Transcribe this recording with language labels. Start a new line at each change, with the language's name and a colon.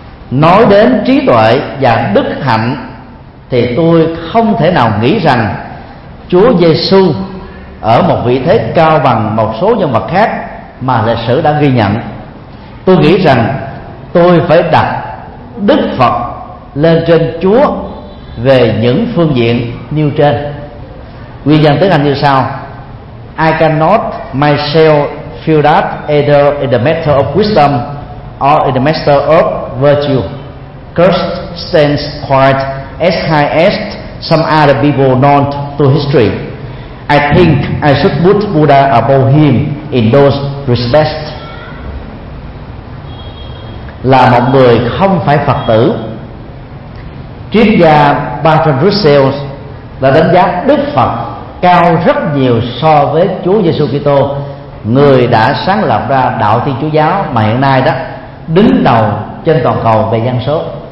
Vietnamese: Nói đến trí tuệ và đức hạnh thì tôi không thể nào nghĩ rằng Chúa Giê-xu ở một vị thế cao bằng một số nhân vật khác mà lịch sử đã ghi nhận. Tôi nghĩ rằng tôi phải đặt Đức Phật lên trên Chúa về những phương diện nêu trên. Nguyên văn tiếng Anh như sau:
English: I cannot myself feel that either in the matter of wisdom or in the matter of virtue, Christ stands quite as high as some other people known to history. I think I should put Buddha above him in those respects.
Vietnamese: Là một người không phải Phật tử, triết gia Bertrand Russell đã đánh giá Đức Phật cao rất nhiều so với Chúa Giêsu Kitô, người đã sáng lập ra đạo Thiên Chúa giáo mà hiện nay đó đứng đầu trên toàn cầu về dân số.